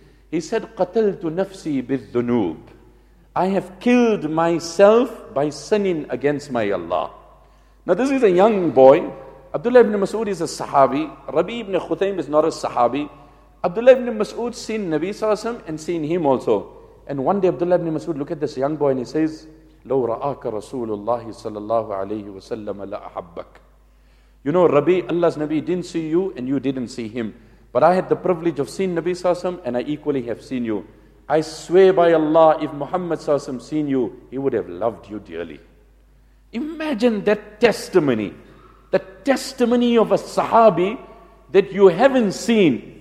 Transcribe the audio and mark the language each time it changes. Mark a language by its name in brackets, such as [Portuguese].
[English] He said, [Arabic] قَتَلْتُ نَفْسِي بِالذُّنُوبِ [English] I have killed myself by sinning against my Allah. Now this is a young boy. Abdullah ibn Mas'ud is a Sahabi. Rabi ibn Khutaym is not a Sahabi. Abdullah ibn Mas'ud seen Nabi Sallallahu Alaihi Wasallam and seen him also. And one day Abdullah ibn Mas'ud look at this young boy and he says, [Arabic] لو رآك رسول الله صلى الله عليه وسلم لأحبك. [English] You know, Rabi, Allah's Nabi didn't see you and you didn't see him. But I had the privilege of seeing Nabi Sallallahu Alaihi Wasallam and I equally have seen you. I swear by Allah, if Muhammad Sallallahu Alaihi Wasallam seen you, he would have loved you dearly. Imagine that testimony. The testimony of a Sahabi that you haven't seen.